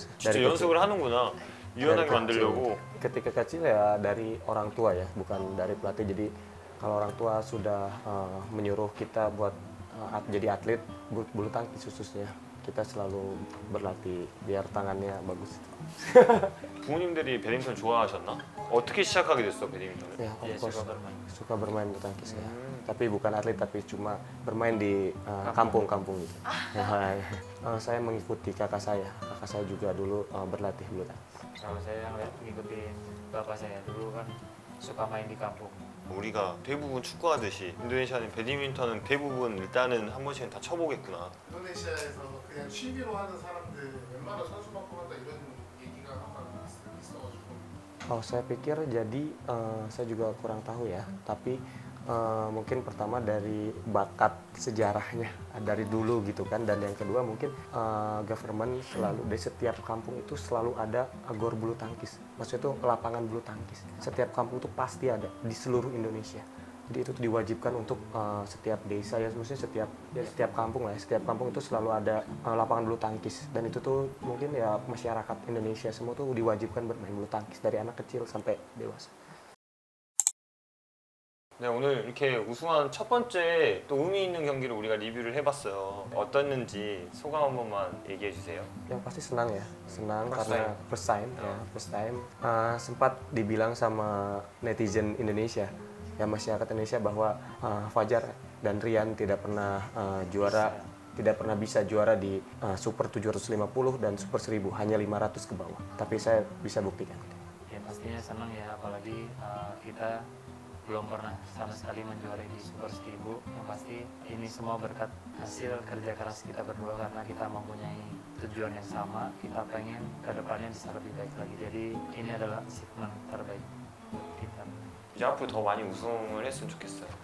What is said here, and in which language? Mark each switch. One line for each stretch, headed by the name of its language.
Korean: 진짜 연습을 하는구나. 유연하게 만들려고.
Indonesian: Ketika kecil ya dari orang tua ya, bukan dari pelatih. Jadi kalau orang tua sudah menyuruh kita buat jadi atlet, bulu tangkis khususnya kita selalu berlatih biar tangannya bagus.
Korean: 부모님들이 배드민턴 좋아하셨나? 어떻게 시작하게 됐어 배드민턨?
Indonesian: Ya,
English: of course.
Indonesian: Suka bermain bulu tangkis ya. Tapi bukan atlet, tapi cuma bermain di kampung-kampung gitu. Saya mengikuti kakak saya. Kakak saya juga dulu berlatih bulu tangkis. Sama saya yang mengikuti bapak saya dulu kan suka main di kampung.
Korean: 우리가 대부분 축구하듯이 인도네시아는 배드민턴은 대부분 일단은 한 번씩은 다 쳐보겠구나. 인도네시아에서 그냥 취미로 하는 사람들 웬만한 선수만큼 한다 이런 얘기가 한번 있어가지고.
Indonesian: Saya pikir jadi saya juga kurang tahu ya, tapi mungkin pertama dari bakat sejarahnya dari dulu gitu kan, dan yang kedua mungkin government selalu di setiap kampung itu selalu ada gor bulu tangkis, maksudnya itu lapangan bulu tangkis setiap kampung itu pasti ada di seluruh Indonesia, jadi itu diwajibkan untuk setiap desa ya, maksudnya setiap ya, setiap kampung lah, setiap kampung itu selalu ada lapangan bulu tangkis, dan itu tuh mungkin ya masyarakat Indonesia semua tuh diwajibkan bermain bulu tangkis dari anak kecil sampai dewasa.
Korean: 네, 오늘 이렇게 우승한 첫 번째 또 의미 있는 경기를 우리가 리뷰를 해봤어요. 어땠는지 소감 한 번만 얘기해 주세요. 야, 봤지
Indonesian: senang ya. Senang karena
English: first time. First time.
Indonesian: Sempat dibilang sama netizen Indonesia, ya masyarakat Indonesia bahwa Fajar dan Rian tidak pernah juara, tidak pernah bisa juara di Super 750 dan Super 1000, hanya 500 ke bawah. Tapi saya bisa buktikan. Ya, pastinya senang ya, apalagi kita belum pernah sama sekali menjuarai di Super 1000. Yang pasti ini semua berkat hasil kerja keras kita berdua, karena kita mempunyai tujuan yang sama. Kita pengen ke depannya bisa lebih baik lagi. Jadi ini adalah achievement terbaik kita.
Korean: 이제 앞으로 더 많이 우승을 했으면 좋겠어요.